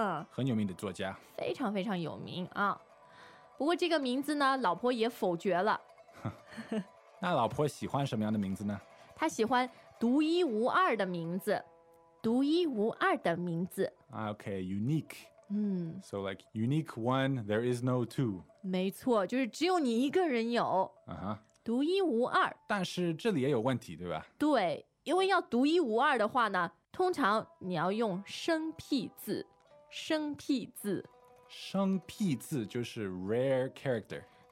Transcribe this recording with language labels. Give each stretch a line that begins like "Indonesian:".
Chinese: 很有名的作家。非常非常有名啊。不过这个名字呢，老婆也否决了。那老婆喜欢什么样的名字呢？她喜欢独一无二的名字，独一无二的名字。
English: Okay, unique. So like unique one, there is no two.
Chinese: 没错，就是只有你一个人有。独一无二。但是这里也有问题，对吧？对，因为要独一无二的话呢，通常你要用生僻字，生僻字。生僻字就是
English: rare character，